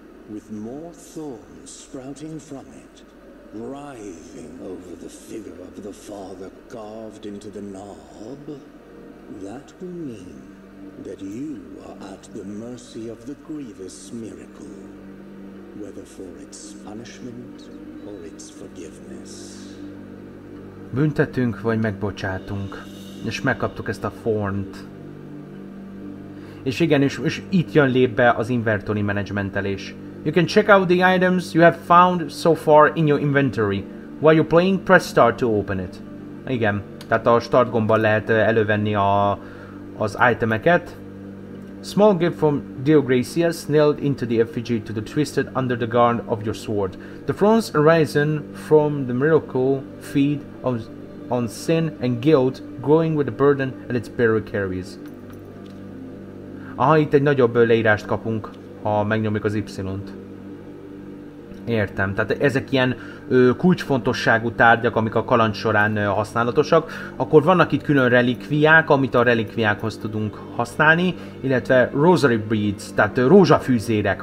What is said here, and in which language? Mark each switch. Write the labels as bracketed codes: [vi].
[en] With more thorns sprouting from it, writhing over the figure of the father carved into the knob, that will mean that you are at the mercy of the grievous miracle, whether for its punishment or its forgiveness. [hu] Büntetünk vagy megbocsátunk, és megkaptuk ezt a thorn-t. És igen, és itt jön lépbe az inventory menedzsmentelés. [en] You can check out the items you have found so far in your inventory. While you're playing, press start to open it. [hu] Igen, tehát a start gombban lehet elővenni az itemeket. [en] Small gift from Deogracias nailed into the effigy to the twisted under the guard of your sword. The thorns arisen from the miracle feed on sin and guilt, growing with the burden and its bearer carries. [hu] Aha, itt egy nagyobb leírást kapunk, ha megnyomjuk az Y-t. Értem, tehát ezek ilyen kulcsfontosságú tárgyak, amik a kaland során használatosak. Akkor vannak itt külön relikviák, amit a relikviákhoz tudunk használni, illetve rosary beads, tehát rózsafűzérek.